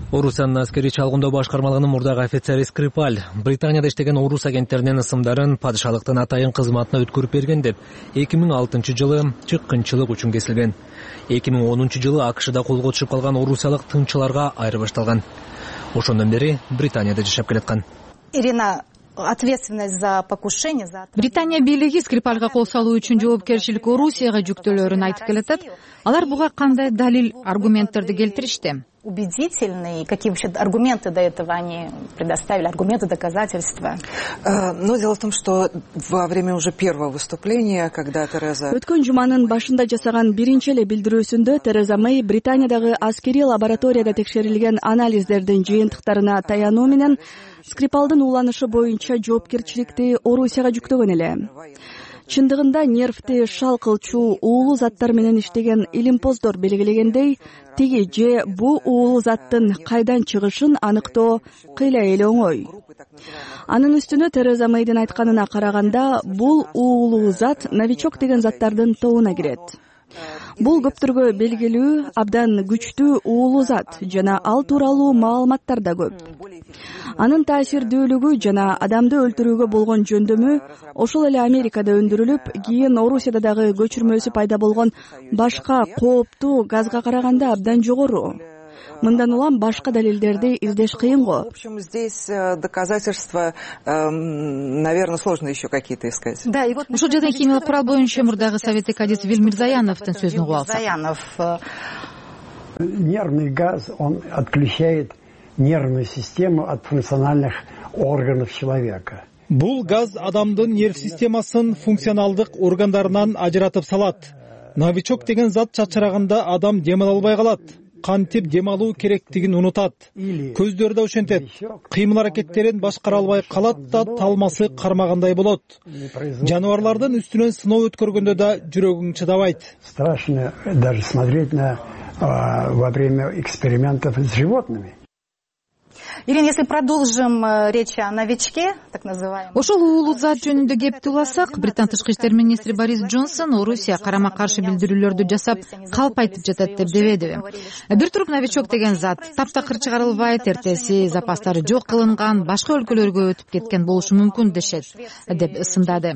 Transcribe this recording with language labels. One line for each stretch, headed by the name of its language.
Kyrgyz: Орусиянын аскерий чалгындоо башкармалыгынын мурдагы офицери Скрипаль Британияда иштеген орус агенттеринин ысымдарын падышалыктын атайын кызматына өткөрүп берген деп 2006-жылы чыккынчылык үчүн кесилген. 2010-жылы АКШда колго түшүп калган орусиялык тынчыларга айырбашталган. Ошондон бери Британияда жашап келаткан.
Russian: Ирина, ответственность за покушение за
Kyrgyz: Британия бийлиги Скрипальга кол салуу үчүн жоопкерчилик Орусияга жүктөлөрүн айтып келатат. Алар буга кандай далил, аргументтерди келтиришти?
Russian: Убедительные, какие вообще аргументы до этого они предоставили, аргументы, доказательства? Дело в том, что во время уже первого выступления, когда Тереза...
Kyrgyz: Өткөн жуманын башында жасаган биринчи эле билдирүүсүндө Тереза Мэй Британиядагы аскерий лабораторияда текшерилген анализдердин жыйынтыктарына таянуу менен Скрипалдын уланышы боюнча жоопкерчиликти Орусияга жүктөгөн эле. Чындыгында нервти шал кылчу уулуу заттар менен иштеген илимпоздор белгилегендей, тиги же бу уулуу заттын кайдан чыгышын аныктоо кыйла эле оңой. Анын үстүнө Тереза Мэйдин айтканына караганда, бул уулуу зат новичок деген заттардын тобуна кирет. Бул көптөргө белгилүү, абдан күчтүү уулуу зат жана ал тууралуу маалыматтар да көп. Анын таасирдүүлүгү жана адамды өлтүрүүгө болгон жөндөмү ошол эле Америкада өндүрүлүп, кийин Орусияда дагы көчүрмөсү пайда болгон башка кооптуу газга караганда абдан жогору. Мындан улам башка далилдерди издеш кыйынго.
Russian: В общем, здесь доказательства, наверное, сложно еще какие-то искать.
Kyrgyz: Да, и вот ушул жерден химиялык курал боюнча мурдагы советтик адис Вилмирзаяновдун сөзүн угуп алсак. Заянов.
Russian: Нервный газ, он отключает нервную систему от функциональных органов человека.
Kyrgyz: Бул газ адамдын нерв системасын функционалдык органдарынан ажыратып салат. Новичок деген зат чачыраганда адам демала албай калат. Кантип демалуу керектигин унутат. Көздөрдө ошентет. Кыймыл аракеттерин башкара албай калат да талмасы кармагандай болот. Жаныбарлардын үстүнөн сыноо өткөргөндө да жүрөгүң чыдабайт.
Russian: Страшно даже смотреть на во время экспериментов с животными. Ирина, если продолжим речь о новичке, так называемом.
Kyrgyz: Ошол уулуу зат жөнүндө кепти уласак, Британ тышкы иштер министри Борис Джонсон Орусия карама-каршы билдирүүлөрдү жасап, калп айтып жатат деп дебедиби? Бир туруп новичок деген зат таптакыр чыгарылбайт, эртеси запастары жок кылынган, башка өлкөлөргө өтүп кеткен болушу мүмкүн дешет, деп ысындады.